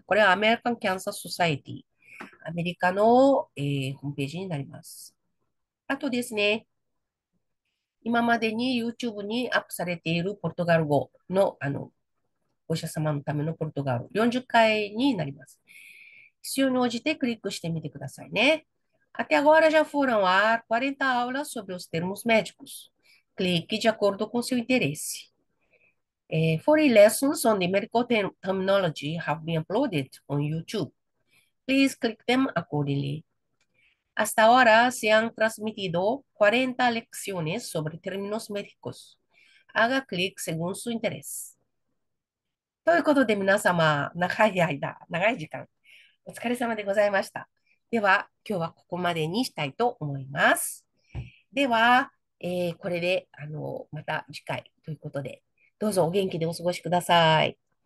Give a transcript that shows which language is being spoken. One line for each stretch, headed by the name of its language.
Japanese: これはアメリカン・キャンサー・ソサエティ。アメリカの、ホームページになります。あとですね、今までに YouTube にアップされているポルトガル語の、お医者様のためのポルトガル40回になります。必要に応じてクリックしてみてくださいね。
Portuguese: Até agora já foram ar 40 aulas sobre os termos médicos. Clique de acordo com seu interesse.
English: 40 lessons on the medical terminology have been uploaded on YouTube. Please click them accordingly.
Spanish: Hasta ahora se han transmitido 40 lecciones sobre términos médicos. Haga clic según su interés.
Japanese: ということで皆様、長い間、長い時間、お疲れ様でございました。では、今日はここまでにしたいと思います。では、これで、また次回ということで、どうぞお元気でお過ごしください。